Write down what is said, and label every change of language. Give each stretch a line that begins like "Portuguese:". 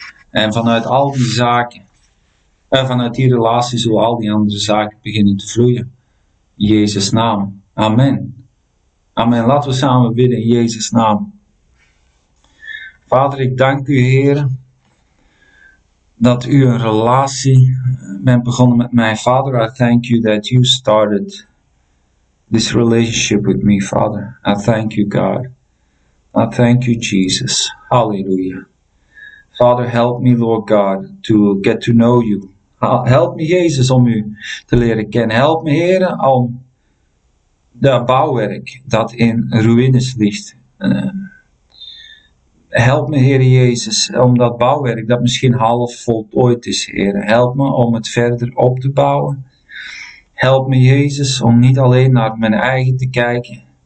Dutch: En vanuit al die zaken, en vanuit die relatie zullen al die andere zaken beginnen te vloeien. In Jezus' naam. Amen. Amen. Laten we samen bidden in Jezus' naam. Vader, ik dank u, Heer, dat u een relatie bent begonnen met mij.
English: Father, I thank you that you started this relationship with me, Father. I thank you, God, I thank you, Jesus. Hallelujah. Father, help me, Lord God, to get to know you.
Dutch: Help me, Jezus, om u te leren kennen. Help me, Heer, om dat bouwwerk dat in ruïnes ligt. Help me, Heer Jezus, om dat bouwwerk dat misschien half voltooid is, Heer. Help me om het verder op te bouwen. Help me, Jezus, om niet alleen naar mijn eigen te kijken.